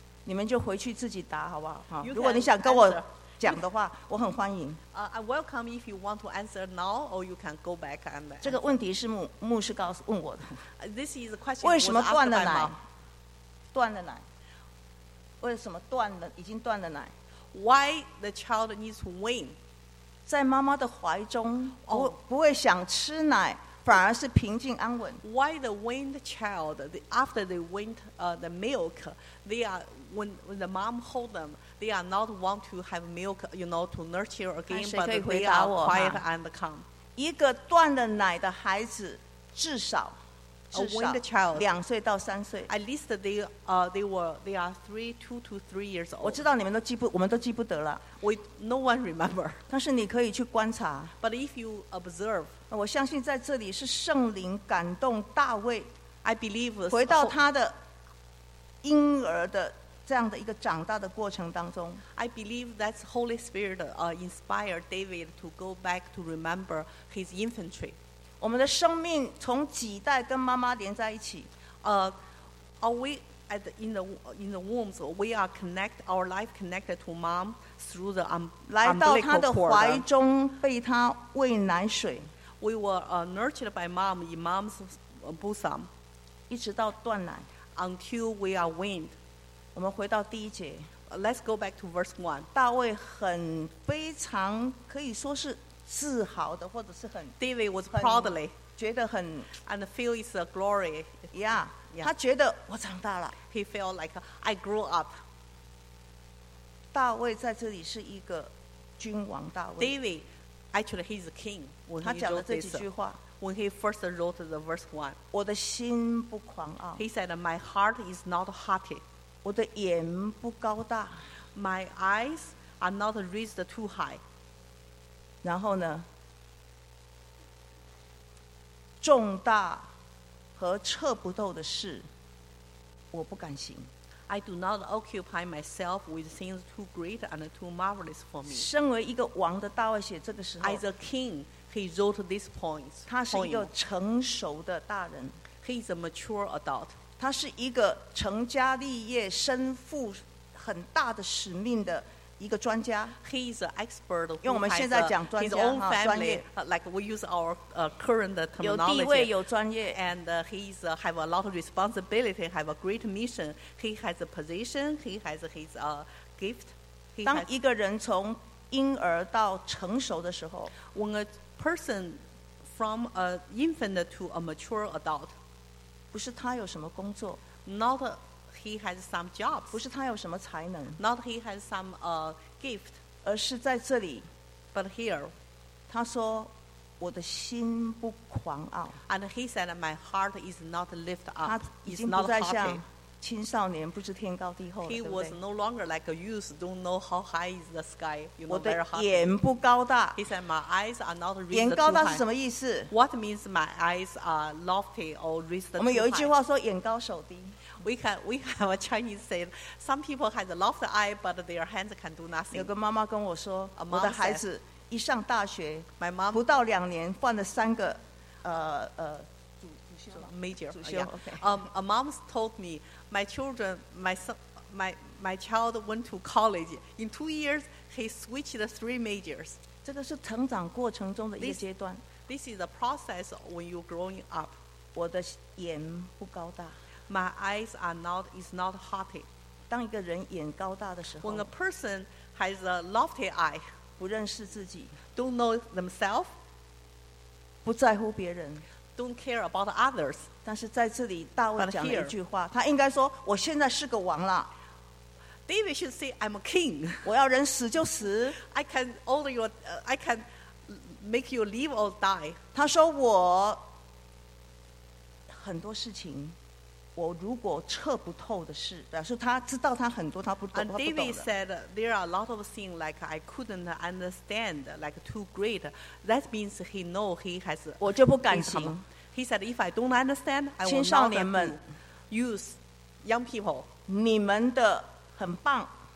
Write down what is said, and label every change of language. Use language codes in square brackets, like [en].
[zh] 你们就回去自己答好不好？哈，如果你想跟我讲的话，我很欢迎。 [en] I welcome if you want to answer now, or you can go back and. [zh] 这个问题是牧师告诉问我的。 [en] This is a question. [zh] 为什么断了奶？断了奶。为什么断了？已经断了奶。 [en] Why the child needs to wean? [zh] 在妈妈的怀中，不会想吃奶，反而是平静安稳。 [en] Why the weaned child after they weaned the milk, they are when the mom hold them. They are not want to have milk, you know, to nurture again, but they are quiet and calm. [zh] 一个断了奶的孩子，至少 [en] child, [zh] 两岁到三岁。 [en] At least they are two to three years old. [zh] 我知道你们都记不，我们都记不得了。 [en] We no one remember. [zh] 但是你可以去观察。 [en] But if you observe, [zh] 我相信在这里是圣灵感动大卫。 [en] I believe [zh] 回到他的婴儿的。这样的一个长大的过程当中 [en] I believe that Holy Spirit inspired David to go back to remember his infantry [zh] 我们的生命从几代跟妈妈连在一起 [en] in the wombs we are connect our life connected to mom through the umbilical [zh] 来到她的怀中被她喂奶水 [en] we were nurtured by mom in mom's bosom [zh] 一直到断奶 [en] until we are weaned [zh] 我们回到第一节 [en] Let's go back to verse 1 [zh] 大卫很非常可以说是自豪的或者是很 [en] David was proudly [zh] 觉得很 [en] And feel it's a glory [zh] yeah, yeah 他觉得我长大了 [en] He felt like I grew up [zh] 大卫在这里是一个君王大卫 [en] David actually he's a king when [zh] 他讲了这几句话 [en] When he first wrote the verse 1 [zh] 我的心不狂傲 [en] He said my heart is not haughty [zh] 我的眼不高大 [en] My eyes are not raised too high [zh] 然后呢重大和测不透的事我不敢行 [en] I do not occupy myself with things too great and too marvelous for me [zh] 身为一个王的大卫写这个时候 [en] As a king, he wrote these points [zh] 他是一个成熟的大人 [en] He is a mature adult [zh] 他是一个成家立业身负很大的使命的一个专家 [en] He is an expert [zh] 因为我们现在讲专家 [en] His own family [zh] 专业 [en] Like we use our current terminology [zh] 有地位有专业 [en] And he is, have a lot of responsibility Have a great mission He has a position He has his gift [zh] 当一个人从婴儿到成熟的时候 [en] When a person from an infant to a mature adult [zh] 不是他有什么工作 [en] ，not he has some jobs， [zh] 不是他有什么才能 [en] ，not he has some gift， [zh] 而是在这里 [en] ，but here， [zh] 他说我的心不狂傲 [en] ，and he said my heart is not lift up， [zh] 他已经不再像青少年不知天高地厚了 [en] He was no longer like a youth, don't know how high is the sky. You know, [zh] 我的眼不高大 [en] He said, my eyes are not raised [zh] 眼高大是什么意思 [en] What means my eyes are lofty or raised too high? [zh] 我们有一句话说眼高手低 [en] We have a Chinese say, some people have a lofty eye, but their hands can do nothing. [zh] 有个妈妈跟我说 我的孩子一上大学 [en] my mom, [zh] 不到两年换了三个 [en] Major. Yeah. A mom told me, my child went to college. In 2 years, he switched the 3 majors. [zh] 这个是成长过程中的一个阶段。 [en] This is a process when you're growing up. [zh] 我的眼不高大。 [en] My eyes are not is not haughty. [zh] 当一个人眼高大的时候。 [en] When a person has a lofty eye, [zh] 不认识自己。 [en] Don't know themselves. [zh] 不在乎别人。 [en] Don't care about others. [zh] 但是在这里，大卫讲了一句话，他应该说：“我现在是个王了。” [en] David should say, "I'm a king." [zh] 我要人死就死。 [en] I can make you live or die. [zh] 他说我很多事情，我如果测不透的事，表示他知道他很多，他不懂。 [en] And David said, "There are a lot of things like I couldn't understand, like too great." That means he know he has. [zh] 我就不敢行。 [en] He said, "If I don't understand, I will not use young people." [zh] 你们的很棒。